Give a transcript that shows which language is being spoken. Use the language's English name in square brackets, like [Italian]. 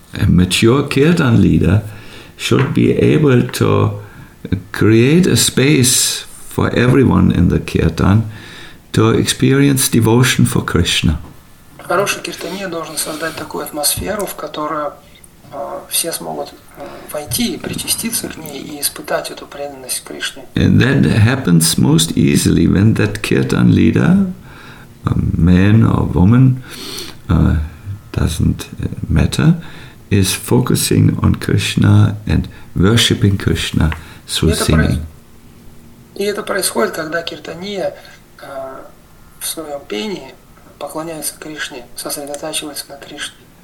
[English] A mature kirtan leader should be able to create a space for everyone in the kirtan to experience devotion for Krishna. [Russian] Хороший киртанин должен создать такую атмосферу, в которую все смогут войти и причаститься к ней и испытать эту преданность Кришне. [English] And that happens most easily when that kirtan leader, a man or woman, doesn't matter, is focusing on Krishna and worshipping Krishna through singing. [Russian] И это происходит, когда киртания в своем пении поклоняется Кришне, сосредотачивается на Кришне.